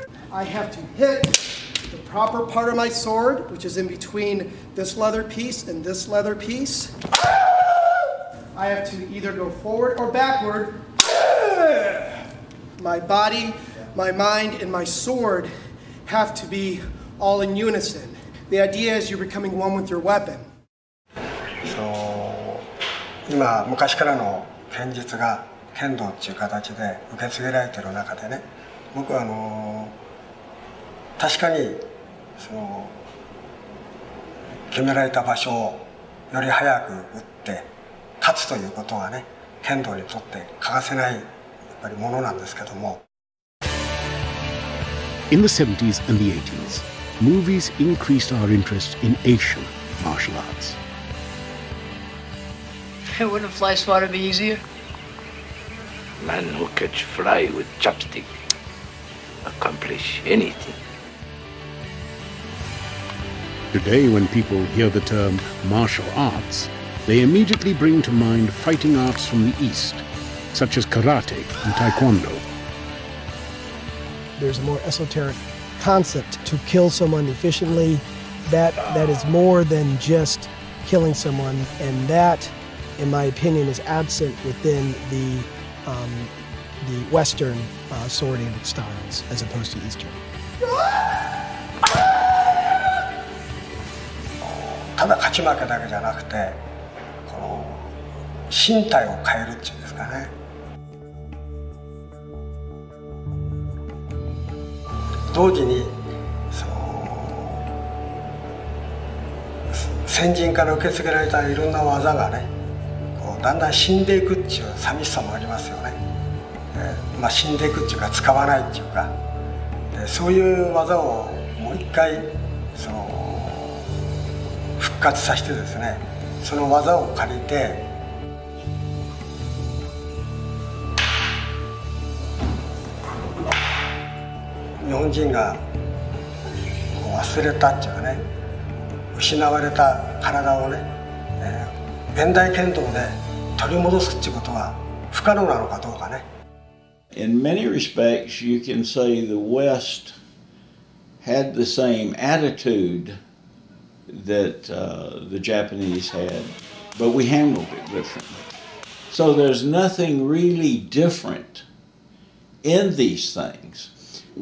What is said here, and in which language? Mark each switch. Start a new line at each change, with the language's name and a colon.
English: I have to hit the proper part of my sword, which is in between this leather piece and this leather piece. I have to either go forward or backward. My body, my mind, and my sword have to be all in unison. The idea is you're becoming one with your weapon.
Japanese: So, 今昔からの剣術が剣道っていう形で受け継がれている中でね、僕は確かに決められた場所をより早く打って勝つということはね、剣道にとって欠かせないやっぱりものなんですけども。
English: In the 70s and the 80s, movies increased our interest in Asian martial arts. Hey, wouldn't fly swatter be easier? Man who catch fly with chopstick accomplish anything. Today, when people hear the term martial arts, they immediately bring to mind fighting arts from the East, such as karate and taekwondo. There's a more esoteric concept to kill someone efficiently that is more than just killing someone, and that, in my opinion, is absent within the Western swording styles as opposed to Eastern.
Japanese: ただ勝ち負けだけじゃなくて、この身体を変えるっていうんですかね。同時に、その先人から受け継げられたいろんな技がね、こうだんだん死んでいくっていう寂しさもありますよね。死んでいくっていうか使わないっていうか、でそういう技をもう一回その復活させてですね、その技を借りて日本人がこう忘れたっていうかね、失われた体をね、現代剣道で取り戻すっていうことは不可能なのかどうかね。
English: In many respects, you can say the West had the same attitude that the Japanese had, but we handled it differently. So there's nothing really different in these things.